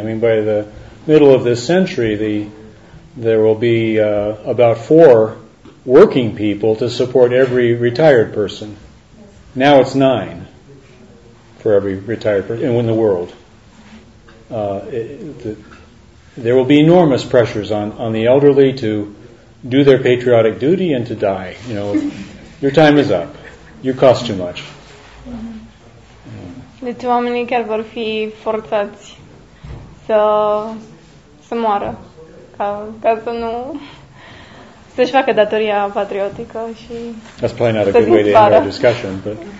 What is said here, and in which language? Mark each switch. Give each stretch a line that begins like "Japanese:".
English: I mean, by the middle of this century, there will be about 4 working people to support every retired person. Yes. Now it's 9. For every retired person in the world, there will be enormous pressures on the elderly to do their patriotic duty and to die. You know, your time is up. You cost too much.
Romanian: Deci oamenii chiar vor fi forțați să moară ca să nu să-și facă datoria patriotică și.
English: That's probably not a good way to end our discussion, but.